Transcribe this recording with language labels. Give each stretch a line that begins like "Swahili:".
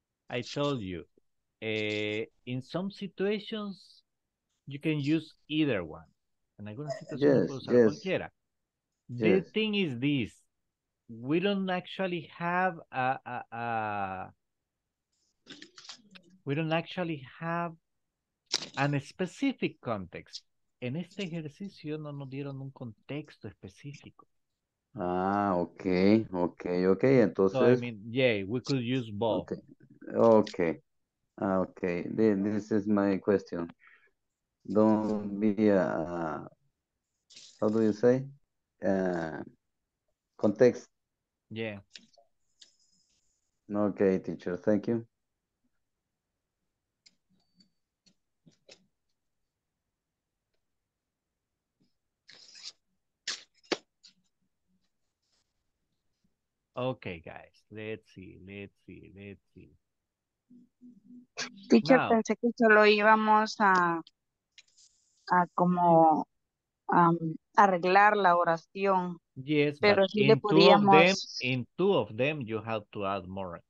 English: I told you, in some situations, you can use either one. Yes. The thing is this, we don't actually have a specific context.
Spanish: En este ejercicio no nos dieron un contexto específico. Ah, okay. Entonces,
English: so, I mean, yeah, we could use both. Okay. This is my question. Don't be a how do you say? Context. Yeah. Okay, teacher, thank you. Okay, guys, let's see.
Spanish: Teacher, now, pensé que solo íbamos a como arreglar la oración. Yes, pero sí le podíamos.
English: In two of them, you have to add more.